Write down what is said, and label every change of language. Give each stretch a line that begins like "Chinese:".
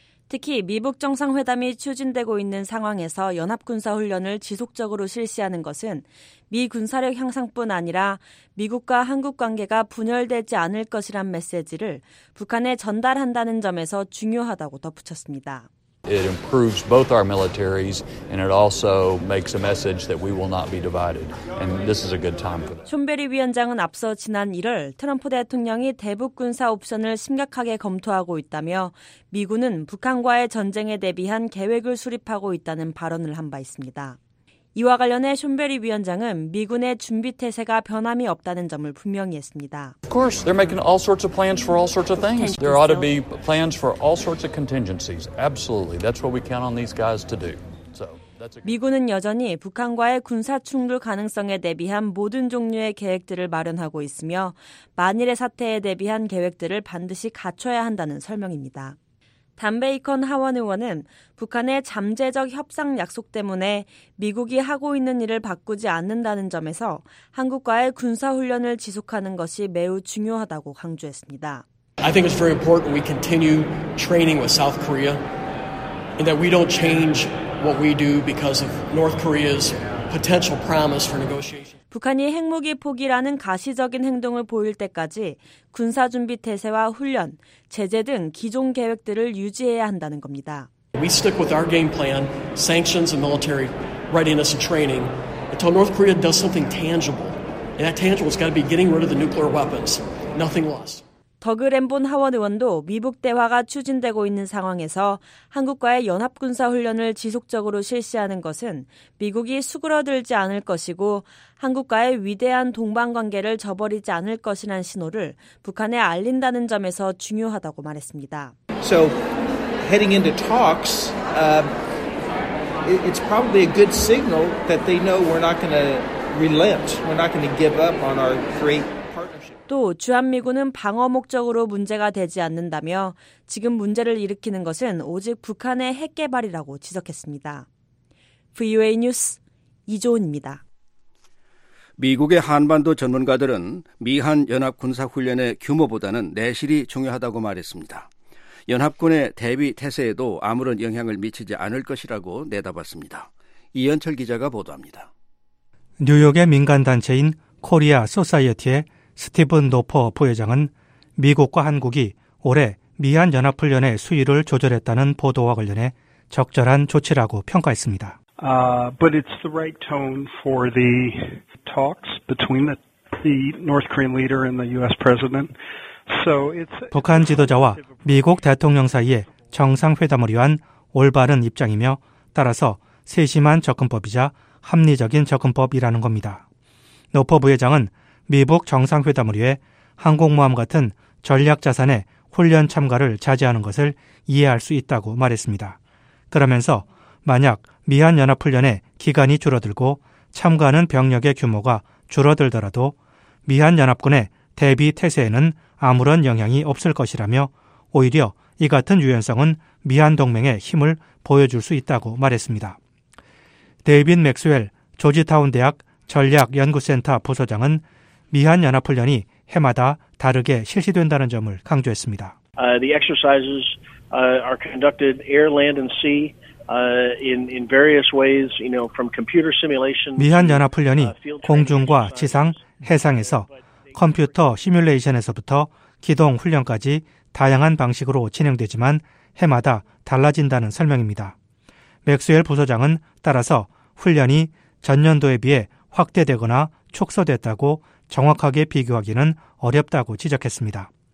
Korean: 특히 미북 정상회담이 추진되고 있는 상황에서 연합군사훈련을 지속적으로 실시하는 것은 미 군사력 향상뿐 아니라 미국과 한국 관계가 분열되지 않을 것이란 메시지를 북한에 전달한다는 점에서 중요하다고 덧붙였습니다.
English: It improves both our militaries and it also makes a message that we will not be divided. And this is a good time for that.
Korean: 촌베리 위원장은 앞서 지난 1월 트럼프 대통령이 대북 군사 옵션을 심각하게 검토하고 있다며 미군은 북한과의 전쟁에 대비한 계획을 수립하고 있다는 발언을 한 바 있습니다. 이와 관련해 숀베리 위원장은 미군의 준비 태세가 변함이 없다는 점을 분명히 했습니다.
English: Of course, they're making all sorts of plans for all sorts of things. There ought to be plans for all sorts of contingencies. Absolutely, that's what we count on these guys to do. So, that's a
Korean: 미군은 여전히 북한과의 군사 충돌 가능성에 대비한 모든 종류의 계획들을 마련하고 있으며 만일의 사태에 대비한 계획들을 반드시 갖춰야 한다는 설명입니다. 단 베이컨 하원 의원은 북한의 잠재적 협상 약속 때문에 미국이 하고 있는 일을 바꾸지 않는다는 점에서 한국과의 군사훈련을 지속하는 것이 매우 중요하다고 강조했습니다.
English: I think it's very important we continue training with South Korea and that we don't change what we do because of North Korea's potential promise for negotiation.
Korean: 북한이 핵무기 포기라는 가시적인 행동을 보일 때까지 군사준비 태세와 훈련, 제재 등 기존 계획들을 유지해야 한다는 겁니다.
English: We stick with our game plan, sanctions and military readiness and training until North Korea does something tangible. And that tangible has got to be getting rid of the nuclear weapons. Nothing lost.
Korean: 더그 램본 하원 의원도 미북 대화가 추진되고 있는 상황에서 한국과의 연합군사훈련을 지속적으로 실시하는 것은 미국이 수그러들지 않을 것이고 한국과의 위대한 동반관계를 저버리지 않을 것이란 신호를 북한에 알린다는 점에서 중요하다고 말했습니다.
English: So, heading into talks, it's probably a good signal that they know we're not going to relent. We're not going to give up on our great
Korean: 또 주한미군은 방어 목적으로 문제가 되지 않는다며 지금 문제를 일으키는 것은 오직 북한의 핵 개발이라고 지적했습니다. VOA 뉴스 이조은입니다. 미국의 한반도 전문가들은 미한연합군사훈련의 규모보다는 내실이 중요하다고 말했습니다. 연합군의 대비 태세에도 아무런 영향을 미치지 않을 것이라고 내다봤습니다. 이현철 기자가 보도합니다. 뉴욕의 민간단체인 코리아 소사이어티의 스티븐 노퍼 부회장은 미국과 한국이 올해 미한연합훈련의 수위를 조절했다는 보도와 관련해 적절한 조치라고 평가했습니다.
English: But it's the right tone for the talks between the North Korean leader and the U.S. president. So it's
Korean: 북한 지도자와 미국 대통령 사이의 정상회담을 위한 올바른 입장이며 따라서 세심한 접근법이자 합리적인 접근법이라는 겁니다. 노퍼 부회장은 미북 정상회담을 위해 항공모함 같은 전략자산의 훈련 참가를 자제하는 것을 이해할 수 있다고 말했습니다. 그러면서 만약 미한연합훈련의 기간이 줄어들고 참가하는 병력의 규모가 줄어들더라도 미한연합군의 대비 태세에는 아무런 영향이 없을 것이라며 오히려 이 같은 유연성은 미한동맹의 힘을 보여줄 수 있다고 말했습니다. 데이빈 맥스웰 조지타운 대학 전략연구센터 부소장은 미한연합훈련이 해마다 다르게 실시된다는 점을 강조했습니다.
English: The exercises are conducted air, land, and sea in various ways, you know, from computer simulation.
Korean: 미한연합훈련이 공중과 지상, 해상에서 컴퓨터 시뮬레이션에서부터 기동 훈련까지 다양한 방식으로 진행되지만 해마다 달라진다는 설명입니다. 맥스웰 부소장은 따라서 훈련이 전년도에 비해 확대되거나 축소됐다고 정확하게 비교하기는 어렵다고 지적했습니다.